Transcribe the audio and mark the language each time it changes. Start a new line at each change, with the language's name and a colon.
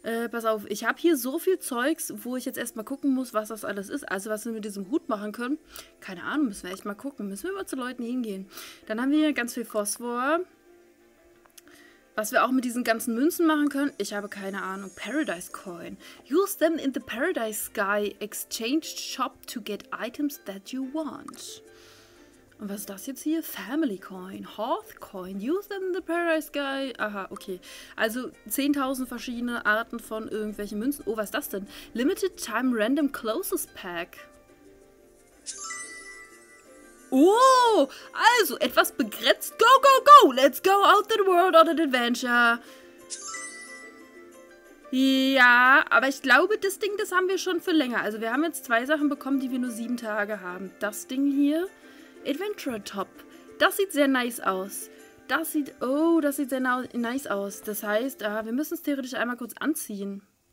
German: Pass auf, ich habe hier so viel Zeugs, wo ich jetzt erstmal gucken muss, was das alles ist. Also was wir mit diesem Hut machen können. Keine Ahnung, müssen wir echt mal gucken. Müssen wir mal zu Leuten hingehen. Dann haben wir hier ganz viel Phosphor. Was wir auch mit diesen ganzen Münzen machen können. Ich habe keine Ahnung. Paradise Coin.
English: Use them in the Paradise Sky Exchange Shop to get items that you want.
German: Und was ist das jetzt hier? Family Coin, Hearth Coin,
English: Use them in the Paradise Sky.
German: Aha, okay. Also 10.000 verschiedene Arten von irgendwelchen Münzen. Oh, was ist das denn? Limited Time Random Closest Pack. Oh, also etwas begrenzt. Go, go, go!
English: Let's go out the world on an adventure.
German: Ja, aber ich glaube, das Ding, das haben wir schon für länger. Also wir haben jetzt zwei Sachen bekommen, die wir nur 7 Tage haben. Das Ding hier... Adventurer Top. Das sieht sehr nice aus. Das sieht sehr nice aus. Das heißt, wir müssen es theoretisch einmal kurz anziehen.